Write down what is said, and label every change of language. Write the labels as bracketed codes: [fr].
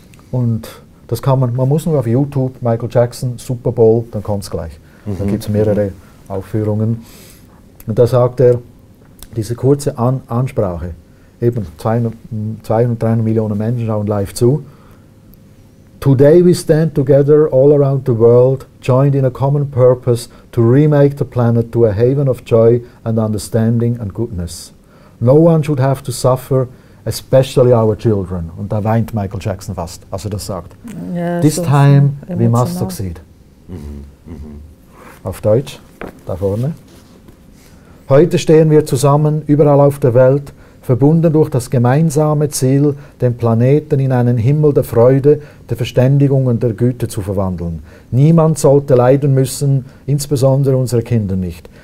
[de] Und das kann man muss nur auf YouTube, Michael Jackson, Super Bowl, dann kommt es gleich. Da gibt es mehrere Aufführungen. Und da sagt er, diese kurze Ansprache, eben 200-300 Millionen Menschen schauen live zu. [en] Today we stand together all around the world, joined in a common purpose to remake the planet to a haven of joy and understanding and goodness. No one should have to suffer, especially our children. [de] Und da weint Michael Jackson fast, als er das sagt. [en] Yeah, this so time we must succeed. [de] Auf Deutsch, da vorne. Heute stehen wir zusammen, überall auf der Welt, verbunden durch das gemeinsame Ziel, den Planeten in einen Himmel der Freude, der Verständigung und der Güte zu verwandeln. Niemand sollte leiden müssen, insbesondere unsere Kinder nicht.